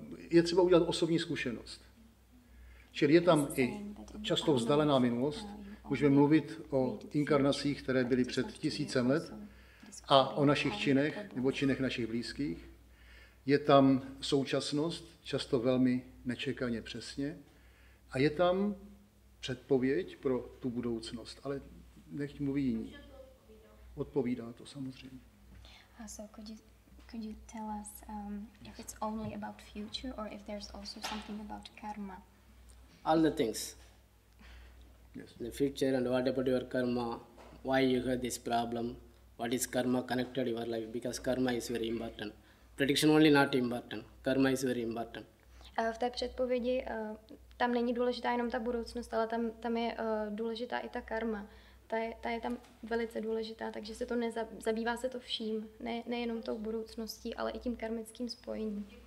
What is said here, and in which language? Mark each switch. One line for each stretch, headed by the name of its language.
Czech: je třeba udělat osobní zkušenost. Čili je tam i často vzdálená minulost, můžeme mluvit o inkarnacích, které byly před tisícem let, a o našich činech nebo činech našich blízkých. Je tam současnost, často velmi nečekaně přesně, a je tam předpověď pro tu budoucnost, ale nech mluví jiní. Odpovídá to samozřejmě.
English: So could you tell us if it's only about future or if there's also something about karma? All the things. Yes. The future and what about your karma? Why you have this problem? What is karma connected your life? Because karma is very important. Prediction only not important. Karma is very important.
Czech: V té předpovědi tam není důležitá jenom ta budoucnost, ale tam je důležitá i ta karma. Ta je tam velice důležitá, takže se to zabývá se to vším, nejenom tou budoucností, ale i tím karmickým spojením.